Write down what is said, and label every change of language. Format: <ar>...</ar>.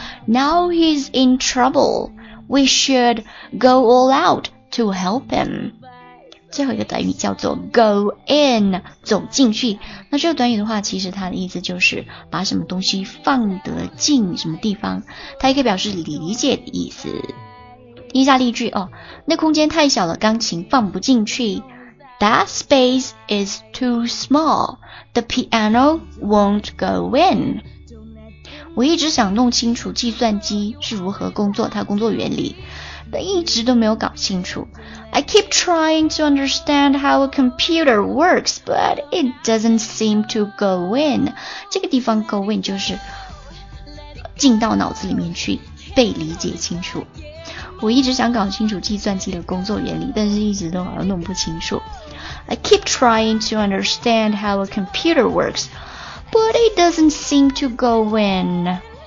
<en>Now he's in trouble， we should go all out to help him。</en> <zh>最后一个短语叫做 go in， 走进去。那这个短语的话，其实它的意思就是把什么东西放得进什么地方，它也可以表示理解的意思。听一下例句哦，那空间太小了，钢琴放不进去。</zh> <en>That space is too small， The piano won't go in。</en> <zh>我一直想弄清楚计算机是如何工作，它工作原理，一直都没有搞清楚。</zh> <en>I keep trying to understand how a computer works but it doesn't seem to go in。</en> <zh>这个地方 go in 就是进到脑子里面去，被理解清楚。我一直想搞清楚计算机的工作原理，但是一直都好像弄不清楚。</zh> <en>I keep trying to understand how a computer works but it doesn't seem to go in。</en>